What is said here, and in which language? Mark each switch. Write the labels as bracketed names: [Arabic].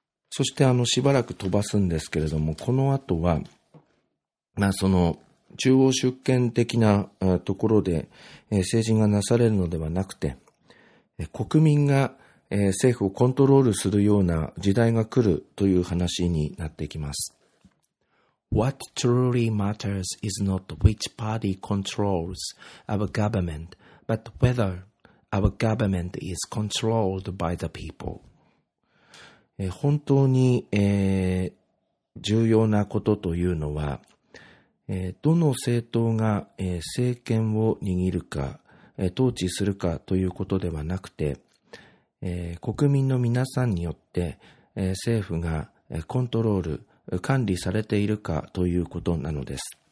[Japanese] そしてしばらく飛ばすんですけれども、この後は、まあ、その中央集権的なところで政治がなされるのではなくて、国民が政府をコントロールするような時代が来るという話になっていきます。 [English] What truly matters is not which party controls our government, but whether our government is controlled by the people. [Japanese] 本当に、重要なことというのは、どの政党が、政権を握るか、統治するかということではなくて、国民の皆さんによって、政府が、コントロール、管理されているかということなのです。